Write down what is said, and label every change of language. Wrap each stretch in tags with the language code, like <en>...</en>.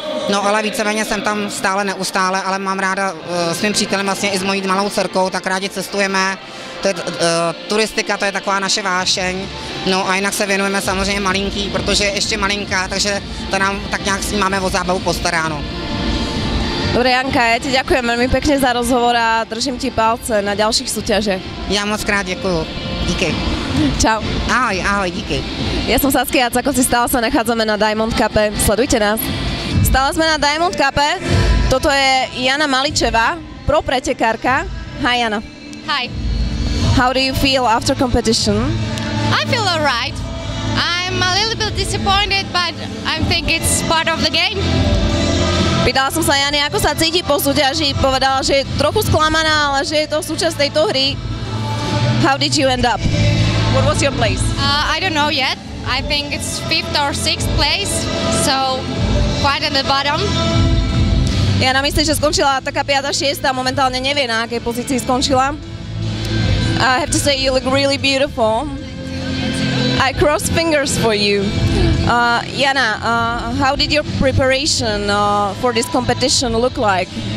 <cs>No ale víceméně jsem tam stále neustále, ale mám ráda s mým přítelem vlastně i s mojí malou dcerkou, tak rádi cestujeme. To je turistika, to je taková naše vášeň. No a jinak se věnujeme samozřejmě malinký, protože je ještě malinká, takže to nám tak nějak s ní máme o zábavu postaráno.</cs> <sk>Dobre, Janka, ja ti ďakujem veľmi pekne za rozhovor a držím ti palce na ďalších súťažiach. Ja moc krát ďakujem. Díky. Čau.</sk> <cs>Ahoj, díky.</cs> <sk>Ja som Saskia Cakoci, stále sa nachádzame na Diamond Cupe. Sledujte nás. Stále sme na Diamond Cupe. Toto je Jana Maličeva, pro pretekárka. Hi, Jana.</sk> <en>Hi. How do you feel after competition? I feel all right. I'm a little bit disappointed, but I think it's part of the game.</en> <sk>Pýtala som sa Jany, ako sa cíti po súťaži, povedala, že je trochu sklamaná, ale že je to súčasť tejto hry.</sk> <en>How did you end up? What was your place? I don't know yet. I think it's fifth or sixth place, so quite at the bottom.</en> <sk>Jana myslí, že skončila taká 5. 6. momentálne nevie, na akej pozícii skončila.</sk> <en>I have to say, you look really beautiful. I cross fingers for you. Jana, how did your preparation for this competition look like?</en>